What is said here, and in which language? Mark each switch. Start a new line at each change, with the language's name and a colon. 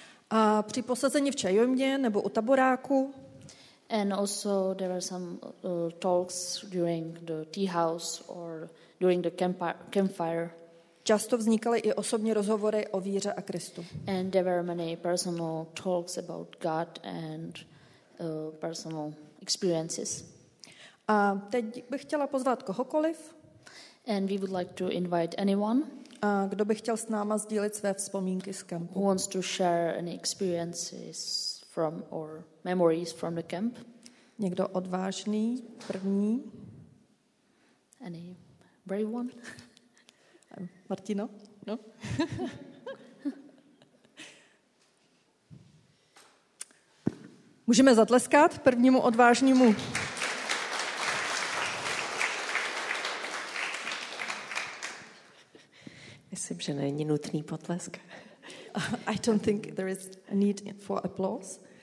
Czech: A při posazení v čajovně nebo u taboráku.
English: And also there were some talks during the tea house or during the campfire.
Czech: Často vznikaly i osobní rozhovory o víře a Kristu.
English: And there were many personal talks about God and personal experiences.
Czech: A teď bych chtěla pozvat kohokoliv.
English: And we would like to invite anyone.
Czech: A kdo by chtěl s náma sdílet své vzpomínky z kempu?
English: Who wants to share any experiences from or memories from the camp?
Czech: Někdo odvážný, první?
English: Any brave one?
Czech: Martino? No. Můžeme zatleskat prvnímu odvážnímu. Myslím, že není nutný potlesk.
English: I don't think there is a need for applause.